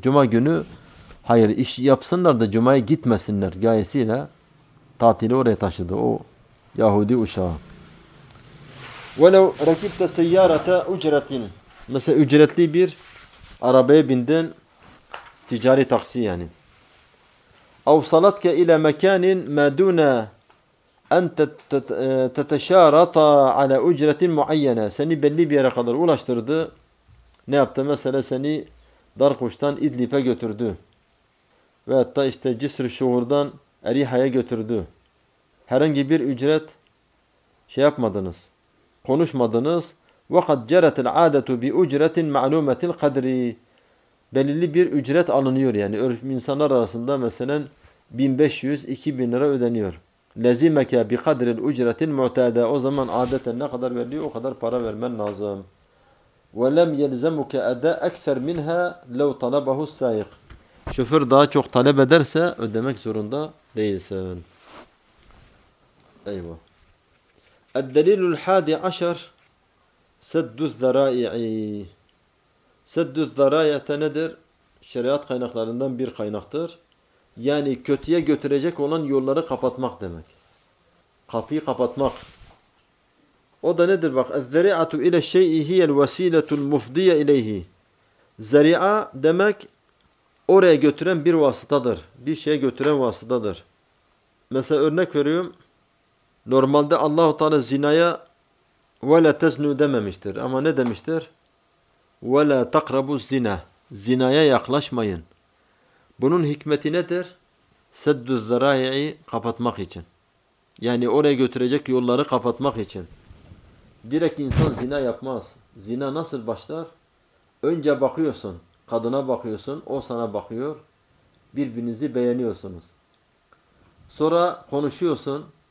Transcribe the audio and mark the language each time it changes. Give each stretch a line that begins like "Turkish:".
Turkish: Cuma günü hayır, iş yapsınlar da cumaya gitmesinler gayesiyle tatili oraya taşıdı o Yahudi uşağı.
Arabic: وَلَوْ رَكِبْتَ سَيَّارَةَ اُجْرَةٍ,
Turkish: mesela ücretli bir arabaya bindin, ticari taksi yani.
Arabic: اَوْصَلَتْكَ اِلَى مَكَانٍ مَا دُونَ أَنْ تَتَشَارَطَ عَلَى اُجْرَةٍ مُعَيَّنَةٍ,
Turkish: seni belli bir yere kadar ulaştırdı. Ne yaptı? Mesela seni Darkuş'tan İdlib'e götürdü. Veyahut da işte Cisr-i Şuhur'dan Eriha'ya götürdü. Herhangi bir ücret şey yapmadınız, konuşmadınız.
Arabic: وَقَدْ جَرَتِ الْعَادَةُ بِاُجْرَةٍ مَعْلُومَةِ الْقَدْرِ,
Turkish: belirli bir ücret alınıyor yani. İnsanlar arasında mesela 1500-2000 lira ödeniyor.
Arabic: لَزِمَكَ بِقَدْرِ الْاُجْرَةِ الْمُعْتَادَ,
Turkish: o zaman adeten ne kadar veriliyor, o kadar para vermen lazım.
Arabic: وَلَمْ يَلْزَمُكَ اَدَا اَكْثَرْ مِنْهَا لَوْ طَلَبَهُ السَّائِقِ,
Turkish: şoför daha çok talep ederse ödemek zorunda değilsin. Eyvah.
Arabic: اَدَّلِيلُ الْحَادِ عَشَرْ سَدُّ الزَّرَائِعِ, سَدُّ الزَّرَائِعَةَ
Turkish: nedir? Şeriat kaynaklarından bir kaynaktır. Yani kötüye götürecek olan yolları kapatmak demek. Kapıyı kapatmak. O da nedir bak?
Arabic: اَذَّرِعَةُ اِلَى الشَّيْءِ هِيَ الْوَس۪يلَةُ الْمُفْضِيَ اِلَيْهِ,
Turkish: zari'a demek oraya götüren bir vasıtadır. Bir şeye götüren vasıtadır. Mesela örnek veriyorum. Normalde Allah-u Teala zinaya
Arabic: وَلَا تَزْنُوا
Turkish: dememiştir. Ama ne demiştir?
Arabic: وَلَا تَقْرَبُوا الزِّنَا,
Turkish: zinaya yaklaşmayın. Bunun hikmeti nedir?
Arabic: سَدُّ الزَّرَائِعِ,
Turkish: kapatmak için. Yani oraya götürecek yolları kapatmak için. Direkt insan zina yapmaz. Zina nasıl başlar? Önce bakıyorsun. Kadına bakıyorsun. O sana bakıyor. Birbirinizi beğeniyorsunuz. Sonra konuşuyorsun.